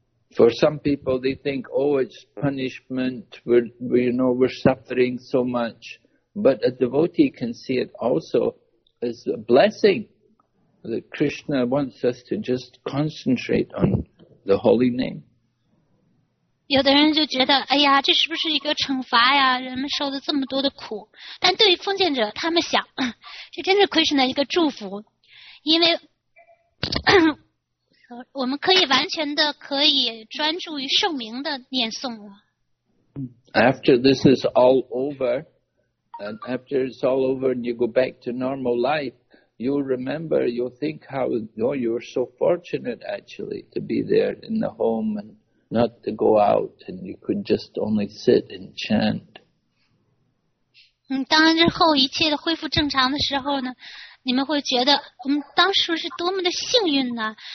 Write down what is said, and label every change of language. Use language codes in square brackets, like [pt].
[en] For some people, they think, oh, it's punishment. We're suffering so much. But a devotee can see it also as a blessing that Krishna wants us to just concentrate on the holy name. [zh] 有的人就觉得，哎呀，这是不是一个惩罚呀？人们受了这么多的苦。但对于奉献者，他们想。这真是 Krishna 的一个祝福，因为我们可以完全的可以专注于圣名的念诵了。 [en] After this is all over, and after it's all over and you go back to normal life, you'll remember, you'll think how you were so fortunate actually to be there in the home and not to go out, and you could just only sit and chant. [zh] 当之后一切的恢复正常的时候呢，你们会觉得我们当时是多么的幸运呢？